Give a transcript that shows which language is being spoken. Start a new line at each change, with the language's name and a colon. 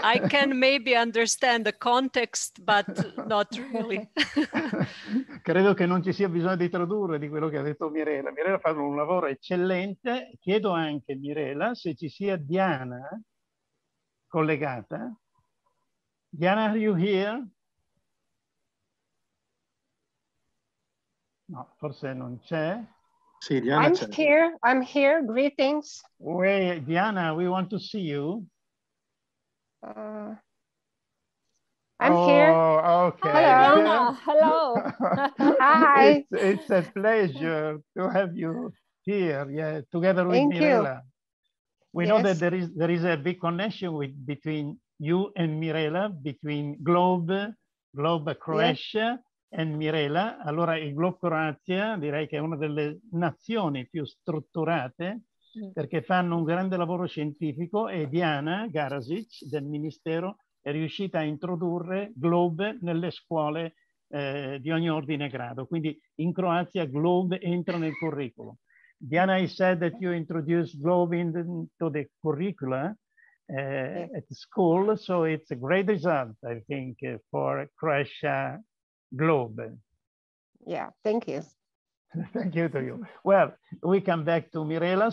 English: I can maybe understand the context, but not really.
Italian: Credo che non ci sia bisogno di tradurre di quello che ha detto Mirela. Mirela fa un lavoro eccellente. Chiedo anche, Mirela, se ci sia Diana collegata.
English: Diana, are you here?
Italian: No, forse non c'è. Sì, Diana,
English: I'm here. I'm here. Greetings. Wait, Diana, we want to see you. I'm here. Oh, okay. Hello. Diana, hello. Hi. It's a pleasure to have you here, together with Mirela. We know that there is a big connection between you and Mirela, between Globe Croatia. Yes. And
Italian: Mirela, allora il Globe Croatia direi che è una delle nazioni più strutturate perché fanno un grande lavoro scientifico e Diana Garasic del Ministero è riuscita a introdurre Globe nelle scuole di ogni ordine grado. Quindi in Croazia Globe entra nel curriculum.
English: Diana, I said that you introduced Globe into the curricula at school, so it's a great result, I think, for Croatia. Globe. Yeah, thank you. Thank you to you. Well, we come back to Mirela.